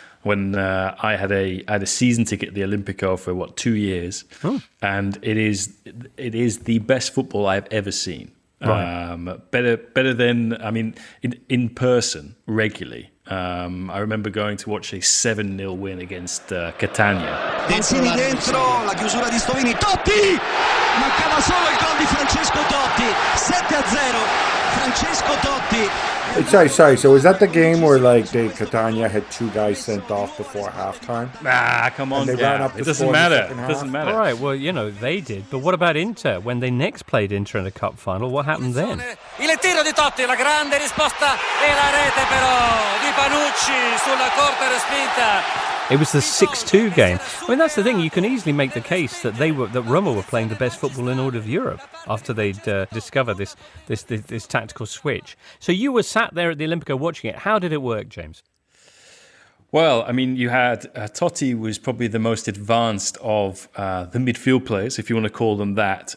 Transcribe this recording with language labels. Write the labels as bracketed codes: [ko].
[en] When I had a season ticket at the Olimpico for, 2 years? Oh. And it is the best football I've ever seen. Right. Better than, I mean, in person, regularly. I remember going to watch a 7-0 win against Catania. [it] Insini dentro, la chiusura di Stovini, Totti! Mancava solo il gol di Francesco Totti. 7-0, Francesco Totti. [en] Sorry, so is that the game where, like, Dave Catania had two guys sent off before halftime? Ah, come on, yeah. It doesn't matter. All right, well, you know, they did. But what about Inter? When they next played Inter in a cup final, what happened then? [it] Il tiro di Totti, la grande risposta e la rete, però, di Panucci sulla corta respinta. [en] It was the 6-2 game. I mean, that's the thing. You can easily make the case that they were, that Roma were playing the best football in all of Europe after they'd discovered this tactical switch. So you were sat there at the Olympico watching it. How did it work, James? Well, I mean, you had Totti was probably the most advanced of the midfield players, if you want to call them that.